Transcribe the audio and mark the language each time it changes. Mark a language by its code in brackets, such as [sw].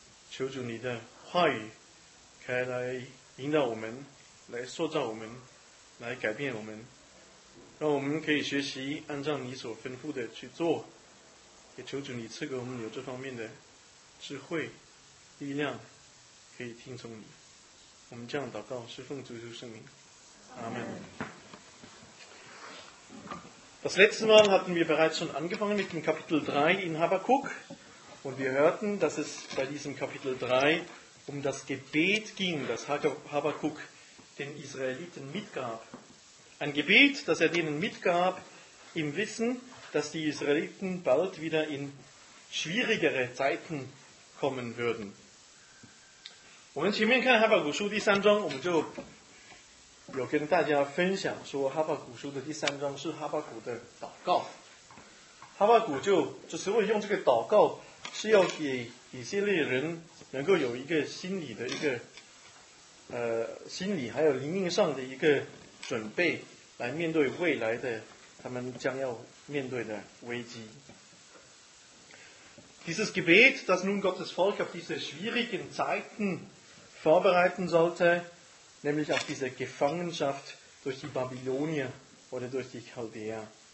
[zh] 求主你的话语可以来引导我们，来塑造我们，来改变我们，让我们可以学习按照你所吩咐的去做。也求主你赐给我们有这方面的智慧力量，可以听从你。我们这样祷告是奉主耶稣圣名，阿们。 [de] Das letzte Mal hatten wir bereits schon angefangen mit dem Kapitel 3 in Habakkuk und wir hörten, dass es bei diesem Kapitel 3 um das Gebet ging, das Habakkuk den Israeliten mitgab. Ein Gebet, das er denen mitgab, im Wissen, dass die Israeliten bald wieder in schwierigere Zeiten kommen würden. [zh] 我们前面看哈巴谷书第三章，我们就有跟大家分享说，哈巴谷书的第三章是哈巴谷的祷告。哈巴谷就是会用这个祷告，是要给以色列人能够有一个心理的一个心理还有灵命上的一个准备，来面对未来的他们将要面对的危机。 [de] Dieses Gebet, das nun Gottes Volk auf diese schwierigen Zeiten vorbereiten sollte,nämlich auf diese Gefangenschaft durch die Babylonier oder durch die Chaldeer.